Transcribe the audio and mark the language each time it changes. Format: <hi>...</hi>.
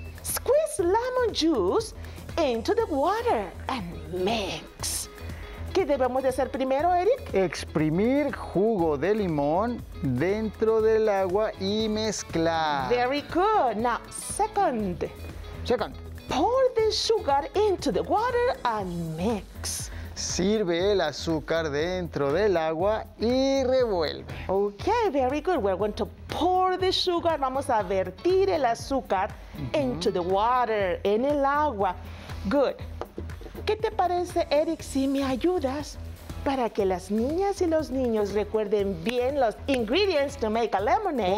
<en>Squeeze lemon juice into the water and mix.</en> <es>que debemos de hacer primero, Eric? Exprimir jugo de limón dentro del agua y mezclar.</es> <en>Very good. Now, second. Second. Pour the sugar into the water and mix.</en> <es>Sirve el azúcar dentro del agua y revuelve.</es> <en>Okay, very good. We're going to pour the sugar.</en> <es>Vamos a vertir el azúcar</es> <en>into the water,</en> <es>en el agua.</es> <en>Good.</en> <es>¿Qué te parece, Eric, si me ayudas para que las niñas y los niños recuerden bien los</es> <en>ingredients to make a lemonade?</en>